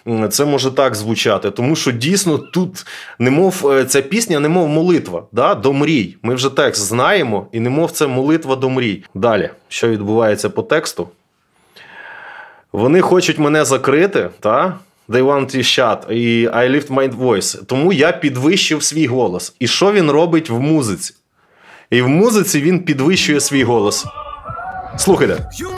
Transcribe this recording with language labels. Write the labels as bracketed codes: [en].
[uk] Це може так звучати, тому що дійсно тут немов ця пісня, немов молитва, да, до мрій. Ми вже текст знаємо, і немов це молитва до мрій. Далі, що відбувається по тексту? Вони хочуть мене закрити, та? [en] They want to shut, і I lift my voice. [uk] Тому я підвищив свій голос. І що він робить в музиці? І в музиці він підвищує свій голос. Слухайте.